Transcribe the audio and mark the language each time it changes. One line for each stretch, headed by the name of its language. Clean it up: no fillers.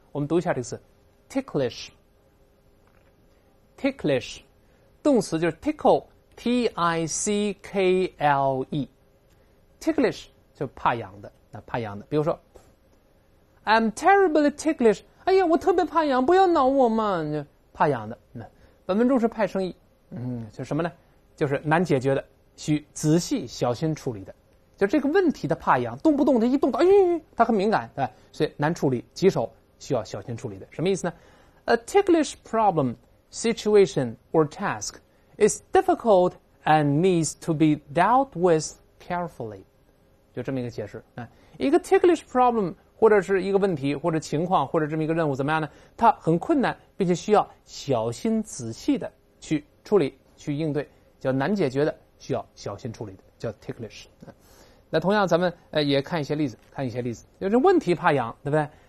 Chinese: 我们读一下这个词 ticklish， 动词就是 tickle， t i c k l e， ticklish 就怕痒的，那怕痒的，比如说
English: I'm terribly ticklish，
Chinese: 哎呀我特别怕痒，不要挠我嘛，怕痒的。那本文中是派生意，就是什么呢？就是难解决的，需仔细小心处理的，就这个问题的怕痒，动不动的一动到，它很敏感，对，所以难处理，棘手，需要小心处理的。什么意思呢？
English: A ticklish problem, situation or task is difficult and needs to be dealt with carefully，
Chinese: 就这么一个解释。一个
English: ticklish problem
Chinese: 或者是一个问题或者情况或者这么一个任务怎么样呢？它很困难，并且需要小心仔细的去处理去应对，叫难解决的，需要小心处理的，叫 ticklish。那同样咱们也看一些例子，看一些例子，就是问题怕痒，对不对？